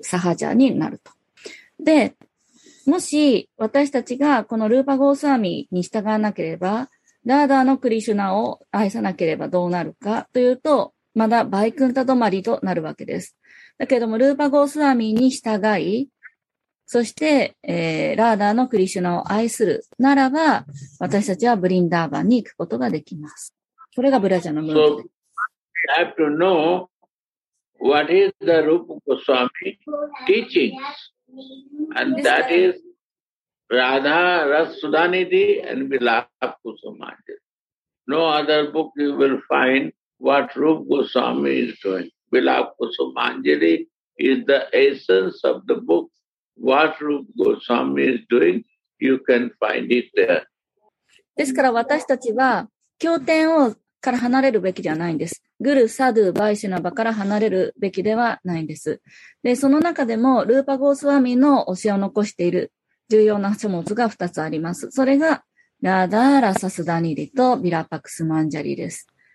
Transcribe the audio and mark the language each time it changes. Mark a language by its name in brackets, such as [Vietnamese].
[Japanese] サハジャーになると。で、もし私たちがこのルーパゴースワミに従わなければ、ラーダーのクリシュナを愛さなければどうなるかというと、まだバイクンタ止まりとなるわけです。だけども、ルーパゴースワミに従い、そして、ラーダーのクリシュナを愛するならば、私たちはブリンダーバンに行くことができます。これがブラジャのムーンです。 [English] So, we have to know what is the Rupa Goswami teachings. And that is,Radha Rasudanidhi and Vilap Kusumadhi. No other book you will find what Rupa Goswami is doing. Vilap Kusumadhi is the essence of the book. What Rupa Goswami is doing, you can find it there. [Japanese] ですから私たちは経典をから離れるべきではないんです。グル、サドゥ、バイシナバから離れるべきではないんです。で、その中でも、ルーパゴースワミの教えを残している重要な書物が2つあります。それが、ラダーラサスダニリとビラパクスマンジャリです。